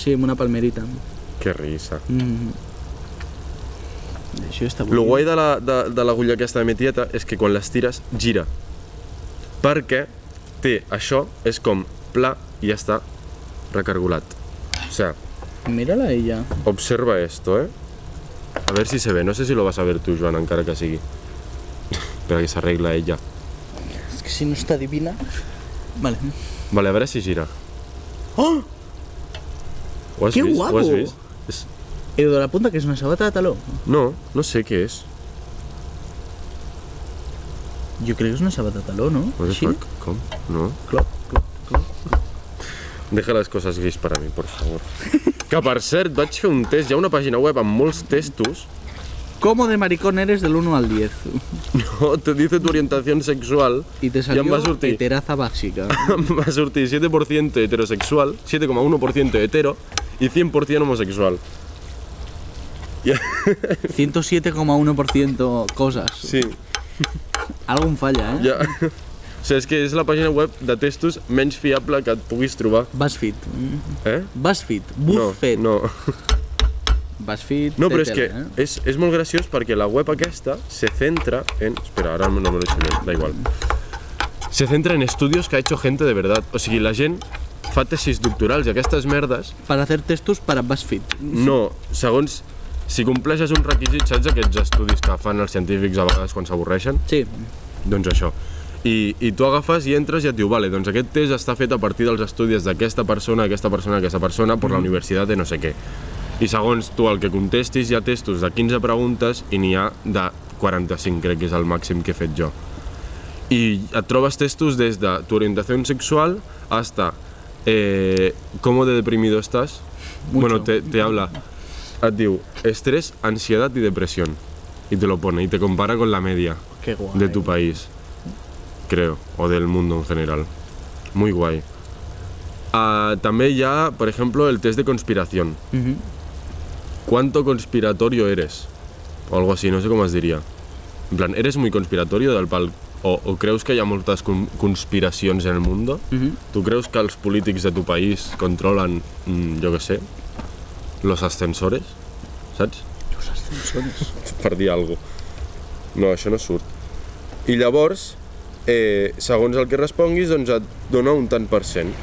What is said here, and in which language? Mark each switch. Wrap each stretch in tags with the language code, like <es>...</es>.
<ca>Sí, amb una palmerita.</ca> <es>Que risa.</es> <ca>Mm. Això està bonic. Lo guai de l'agulla aquesta de mi tieta és que quan l'estires, gira. Perquè té això, és com pla i ja està recargolat.</ca> <es>O sea...</es> <ca>Mira-la ella.</ca> <es>Observa esto, eh? A ver si se ve. No sé si lo vas a ver tu, Joan,</es> <ca>encara que sigui. Però que s'arregla ella. És que si no està divina... Vale. Vale, a veure si gira. Oh! Que guapo! Ho has vist? És... Edo de la punta, que és una sabata de taló. No, no sé què és. Jo crec que és una sabata de taló, no?</ca> <en>What the fuck?</en> <ca>Com? No? Clop, clop, clop.</ca> <es>Deja</es> <ca>les coses gris per a mi,</ca> <es>por favor.</es> <ca>Que per cert, vaig fer un test. Hi ha una pàgina web amb molts testos.</ca> <es>¿Cómo de maricón eres del 1 al 10? No, te dice tu orientación sexual. Y te salió heteraza básica. Va a sortir 7% heterosexual, 7,1% hetero y 100% homosexual. 107,1% cosas. Sí. Algo falla, ¿eh? Ya.</es> <ca>O sigui, és que és la pàgina web de testos menys fiable que et puguis trobar. BuzzFeed. Eh? BuzzFeed. Buffet. No, no. BuzzFeed. No, però és que és molt graciós perquè la web aquesta se centra en... Espera, ara no</ca> <es>me lo</es> <ca>deixo més,</ca> <es>da igual. Se centra en estudios que ha hecho gente de verdad.</es> <ca>O sigui, la gent fa tesis doctorals i aquestes merdes... Per</ca> <es>hacer testos para BuzzFeed.</es> <ca>No, segons... Si compleixes un requisit, saps aquests estudis que fan els científics a vegades quan s'avorreixen? Sí. Doncs això. I tu agafes i entres i et diu, vale, doncs aquest test està fet a partir dels estudis d'aquesta persona, aquesta persona, aquesta persona, per la universitat de no sé què. I segons tu el que contestis, hi ha testos de 15 preguntes i n'hi ha de 45, crec que és el màxim que he fet jo. I et trobes testos des de tu orientació sexual</ca> <es>hasta cómo de deprimido estás. Mucho. Bueno, te habla.</es> <ca>Et diu</ca> <es>estrés, ansiedad y depresión. Y te lo pone y te compara con la media. Qué guay. De tu país, creo, o del mundo en general. Muy guay. También ya, por ejemplo, el test de conspiración. ¿Cuánto conspiratorio eres? O algo así, no sé cómo os diría. En plan, ¿eres muy conspiratorio del pal?</es> <ca>O creus que hi ha moltes conspiracions en el món? Tu creus que els polítics de tu país controlen, jo què sé,</ca> <es>los ascensores?</es> <ca>Saps?</ca> <es>Los ascensores?</es> <ca>Per dir alguna cosa. No, això no surt. I llavors, segons el que responguis, doncs et dona un tant per cent.</ca>